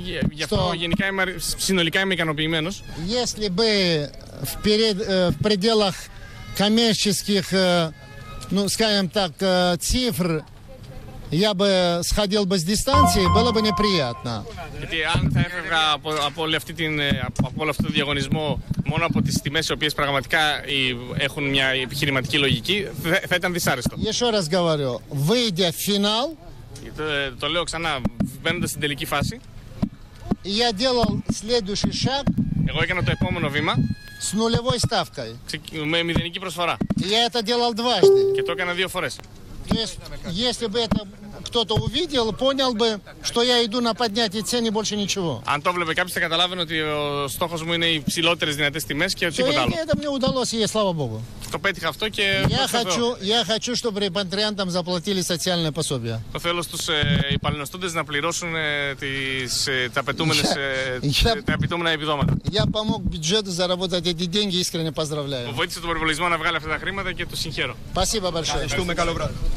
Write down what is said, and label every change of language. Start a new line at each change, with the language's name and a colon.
Greek: Γι' αυτό γενικά είμαι, συνολικά είμαι ικανοποιημένος.
Russian: Если бы в пределах коммерческих, ну, скажем так, цифр, я бы сходил бы с дистанции, было бы неприятно.
Greek: Γιατί αν θα έφευγα από όλο αυτό το διαγωνισμό μόνο από τις τιμές οι οποίες πραγματικά έχουν μια επιχειρηματική λογική, θα ήταν δυσάρεστο.
Russian: Еще раз говорю, выйдя в финал.
Greek: Το λέω ξανά, μπαίνοντας στην τελική φάση.
Russian: Я делал следующий шаг.
Greek: Εγώ έκανα το επόμενο βήμα.
Russian: С нулевой ставкой.
Greek: Με μηδενική προσφορά.
Russian: Я это делал дважды.
Greek: Και το έκανα δύο φορές.
Russian: Если бы это кто-то увидел, понял бы, что я иду на поднятие цены больше ничего.
Greek: Αν το βλέπει κάποιος, θα καταλάβει ότι ο στόχος μου είναι οι ψηλότερες δυνατές τιμές και τίποτα άλλο.
Russian: Это мне удалось, и слава Богу.
Greek: Το πέτυχα αυτό και...
Russian: Я хочу, чтобы репатриантам заплатили социальные пособия.
Greek: Το θέλω στους υπαλληνοστούντες να πληρώσουν τα απαιτούμενα επιδόματα.
Russian: Я помог бюджету заработать эти деньги, искренне поздравляю.
Greek: Βοήθησε τον προπολογισμό να βγάλει αυτά τα χρήματα και το συγχαίρω.
Russian: Спасибо большое.
Greek: Ευχαριστούμε, καλό βράδυ.